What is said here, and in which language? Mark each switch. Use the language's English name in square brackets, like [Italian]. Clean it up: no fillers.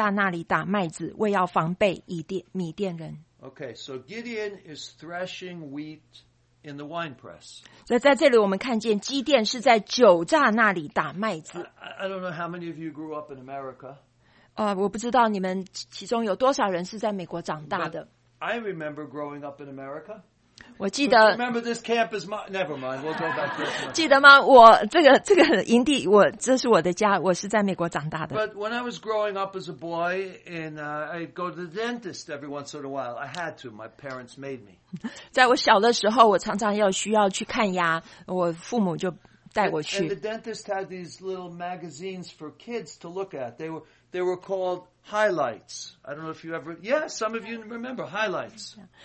[Chinese] 耶和华的使者来到弗拉，坐在亚比以谢族人约阿施的橡树下，约阿施的儿子基甸正在酒榨那里打麦子，为要防备米甸人。 [English] Okay, so Gideon is threshing wheat in the winepress. [Chinese] 在这里我们看见基甸是在酒榨那里打麦子。 [English] I don't know how many of you grew up in America. [Chinese] 我不知道你们其中有多少人是在美国长大的。 [English] I remember growing up in America. [Chinese] 我记得, [English] remember this camp is my, never mind, we'll talk about this. [Chinese] 记得吗? 我这个营地, 我, 这是我的家, 我是在美国长大的。 [English] But when I was growing up as a boy, and I'd go to the dentist every once in a while, I had to, my parents made me. [Chinese] 在我小的时候, 我常常需要去看牙, 我父母就带我去。 [English] And the dentist had these little magazines for kids to look at. They were called Highlights. I don't know if you ever. Yeah, some of you remember Highlights.